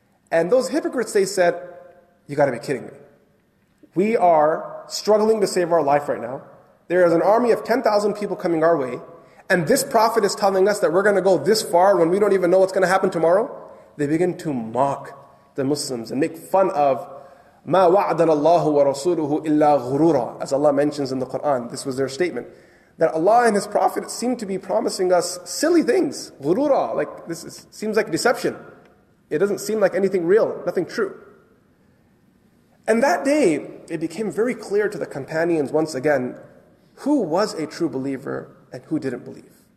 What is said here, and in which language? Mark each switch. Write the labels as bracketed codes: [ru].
[en] And those hypocrites, they said, you gotta be kidding me. We are struggling to save our life right now. There is an army of 10,000 people coming our way, and this prophet is telling us that we're going to go this far when we don't even know what's going to happen tomorrow. They begin to mock the Muslims and make fun of [ar] ما وعدنا الله ورسوله إلا غرورا. [en] As Allah mentions in the Quran, this was their statement, that Allah and His Prophet seem to be promising us silly things. غرورا, like this is, seems like deception. It doesn't seem like anything real, nothing true. And that day, it became very clear to the companions once again, who was a true believer and who didn't believe.